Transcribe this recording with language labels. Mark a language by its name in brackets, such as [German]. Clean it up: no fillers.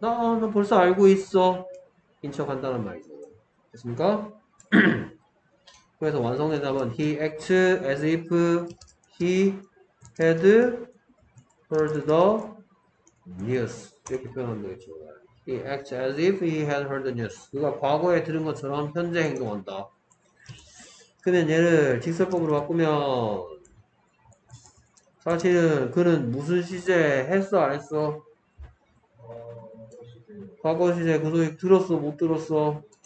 [Korean] 나 벌써 알고 있어. 인척한다는 말이죠. 됐습니까? 그래서 완성 대답은 [English] He acts as if he had heard the news. [Korean] 이렇게 표현하면 되겠죠. [English] He acts as if he had heard the news. [Korean] 그가 과거에 들은 것처럼 현재 행동한다. 그러면 얘를 직설법으로 바꾸면 사실은 그는 무슨 시제 했어 안 했어? 과거 시제 그 소식 들었어 못 들었어?